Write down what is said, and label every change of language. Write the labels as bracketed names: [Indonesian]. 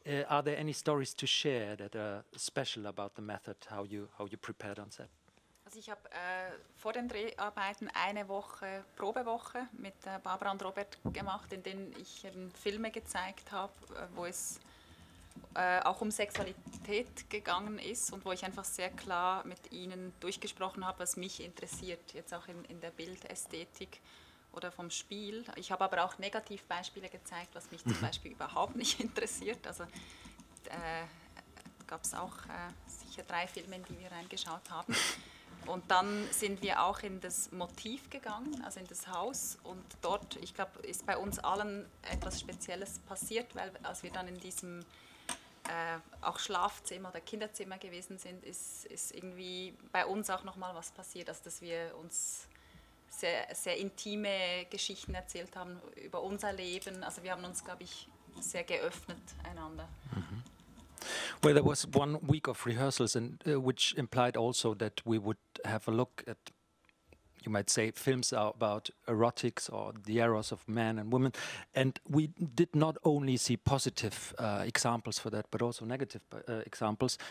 [English] Are there any stories to share that are special about the method, how you prepared on set? [German] Also ich habe vor den Dreharbeiten eine Woche Probewoche mit Barbara und Robert gemacht, in denen ich Filme gezeigt habe, wo es auch um Sexualität gegangen ist und wo ich einfach sehr klar mit ihnen durchgesprochen habe, was mich interessiert, jetzt auch in der Bildästhetik oder vom Spiel. Ich habe aber auch Negativbeispiele gezeigt, was mich zum Beispiel überhaupt nicht interessiert. Also gab es auch sicher drei Filme, in die wir reingeschaut haben. Und dann sind wir auch in das Motiv gegangen, also in das Haus. Und dort, ich glaube, ist bei uns allen etwas Spezielles passiert, weil als wir dann in diesem auch Schlafzimmer oder Kinderzimmer gewesen sind, ist irgendwie bei uns auch nochmal was passiert, also dass wir uns sehr, sehr intime Geschichten erzählt haben über unser Leben. Also wir haben uns, glaube ich, sehr geöffnet einander. Mm-hmm. [English] Well, there was one week of rehearsals, and which implied also that we would have a look at, you might say, films are about erotics or the eros of men and women. And we did not only see positive examples for that, but also negative examples.